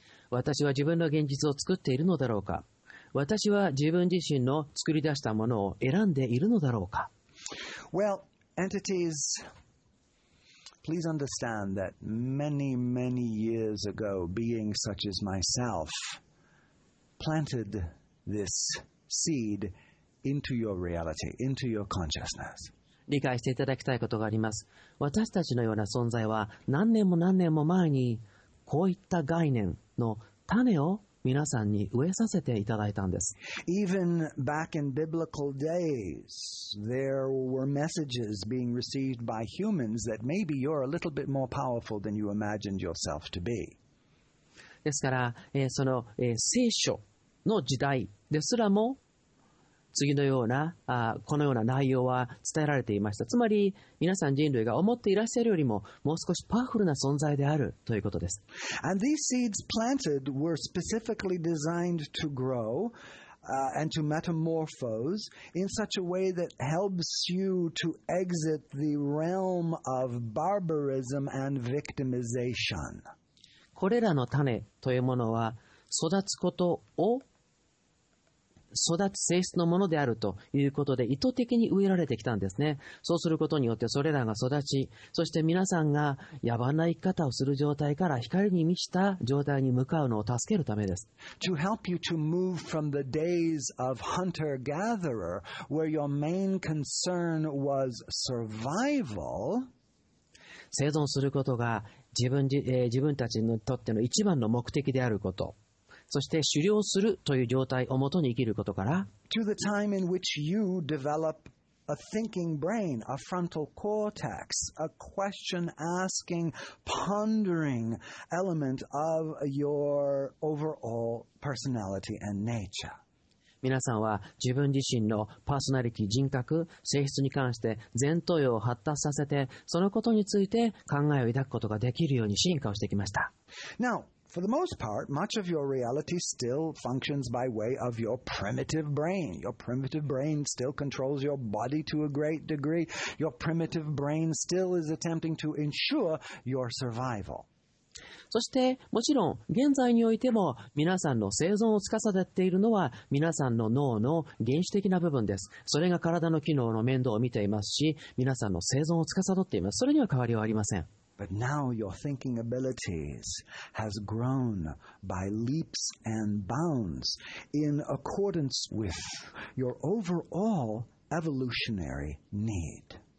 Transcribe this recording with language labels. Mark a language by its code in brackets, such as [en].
[ja] 私は自分の現実を作っているのだろうか私は自分自身の作り出したものを選んでいるのだろうか [en] Well,Entities, please understand that many, many years ago, beings such as myself planted this seed into your reality, into your consciousness. [ja] 理解していただきたいことがあります。私たちのような存在は何年も何年も前にこういった概念の種を皆さんに植えさせていただいたんです。 [en] Even back in biblical days, there were messages being received by humans that maybe you're a little bit more powerful than you imagined yourself to be. [ja] ですから、その、聖書の時代ですらも次のような、このような内容は伝えられていました。つまり、皆さん人類が思っていらっしゃるよりも、もう少しパワフルな存在であるということです。 [en] And these seeds planted were specifically designed to grow, and to metamorphose in such a way that helps you to exit the realm of barbarism and victimization. [ja] これらの種というものは、育つことを育つ性質のものであるということで意図的に植えられてきたんですね。そうすることによってそれらが育ち、そして皆さんが野蛮な生き方をする状態から光に満ちた状態に向かうのを助けるためです。 [en] To help you to move from the days of hunter-gatherer, where your main concern was survival, [ja] 生存することが自分たちにとっての一番の目的であること。そして狩猟するという状態をもとに生きることから [en] To the time in which you develop a thinking brain, a frontal cortex, a question asking, pondering element of your overall personality and nature. [ja] 皆さんは自分自身のパーソナリティ、人格、性質に関して前頭葉を発達させて、そのことについて考えを抱くことができるように進化をしてきました。 [en] Now,For the most part, much of your reality still functions by way of your primitive brain. Your primitive brain still controls your body to a great degree. Your primitive brain still is attempting to ensure your survival. [ja] そしてもちろん現在においても皆さんの生存を司っているのは皆さんの脳の原始的な部分です。それが体の機能の面倒を見ていますし、皆さんの生存を司っています。それには変わりはありません。 [en] But now your thinking abilities has grown by leaps and bounds in accordance with your overall evolutionary need.